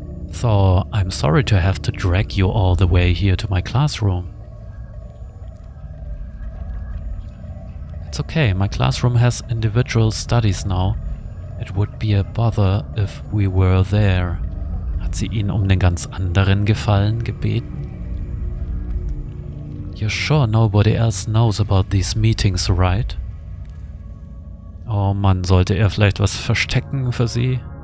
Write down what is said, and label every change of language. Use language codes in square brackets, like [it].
[en] So, I'm sorry to have to drag you all the way here to my classroom. It's okay, my classroom has individual studies now. It would be a bother if we were there. [de] Hat sie ihn um den ganz anderen Gefallen gebeten? [en] You're sure nobody else knows about these meetings, right? [de] Oh Mann, sollte er vielleicht was verstecken für sie?